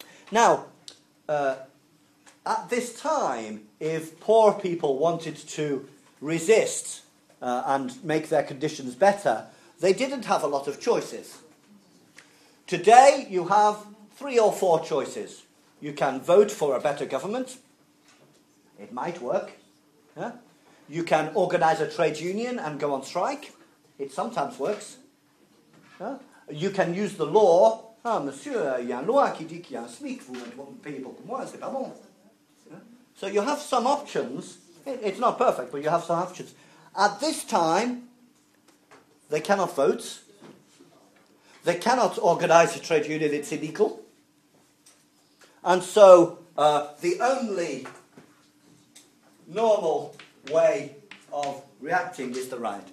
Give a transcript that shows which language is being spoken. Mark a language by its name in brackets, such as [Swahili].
[English] Now, at this time, if poor people wanted to resist and make their conditions better, they didn't have a lot of choices. Today, you have three or four choices. You can vote for a better government. It might work. Yeah? You can organise a trade union and go on strike. It sometimes works. Yeah? You can use the law. [French] Ah, monsieur, il y a une loi qui dit qu'il y a un SMIC. Vous ne pouvez pas payer beaucoup moins, c'est pas bon. [English] So you have some options. It's not perfect, but you have some options. At this time, they cannot vote. They cannot organise a trade union. It's illegal. And so the only normal way of reacting is the riot.